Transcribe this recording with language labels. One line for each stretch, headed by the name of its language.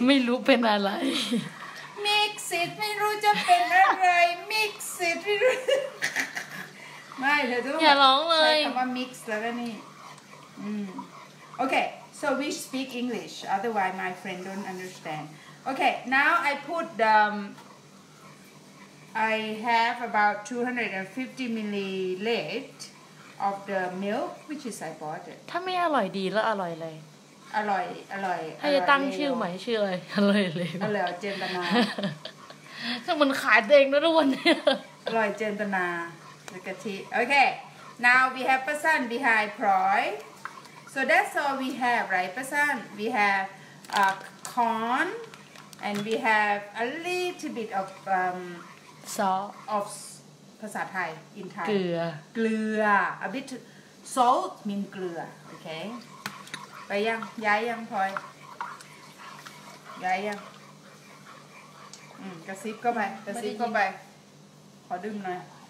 Thai: ไม่รู้เป็นอะไร mix it ไม่รู้จะเป็นอะไร mix it ไม่รู้ไม่เธอต้อง อย่าร้องเลย ใช้คำว่า mix แล้วก็นี่โอเค
English: So we speak English, otherwise my friend don't understand. Okay, now I put, I have about 250 milliliters of the milk, which is I bought it.
Thai: ถ้าไม่อร่อยดีแล้วอร่อยอะไร อร่อยอร่อย ถ้าจะตั้งชื่อใหม่ชื่ออะไรอร่อยเลย อร่อยเจนตนา ซึ่งมันขายเองนะทุกวันนี้ อร่อยเจนตนาและกะทิ
English: Okay, now we have person behind ProySo that's all we have, right, Prasan? We have corn, and we have a little bit of salt of ภาษาไทยin Thai.
Thai: เกลือ
English: เกลือ a bit salt mean เกลือ okay.
Thai: ไปยังย้ายยังพลอยย้ายยังกระซิบเข้าไปกระซิบเข้าไปขอดื่มหน่อย